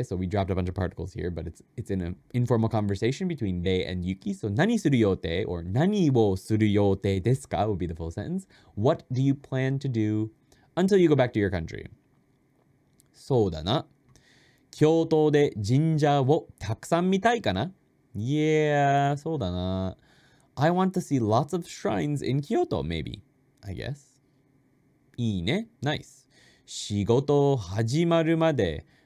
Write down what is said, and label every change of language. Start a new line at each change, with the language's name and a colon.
English: So we dropped a bunch of particles here, but it's in an informal conversation between they and Yuki.
Japanese: So 何する予定? Or 何をする予定ですか?
English: Would be the full sentence. What do you plan to do until you go back to your country?
Japanese: そうだな。京都で神社をたくさん見たいかな?
English: Yeah,
Japanese: そうだな。
English: I want to see lots of shrines in Kyoto, maybe. I guess.
Japanese: いいね。
English: Nice.
Japanese: 仕事始まるまで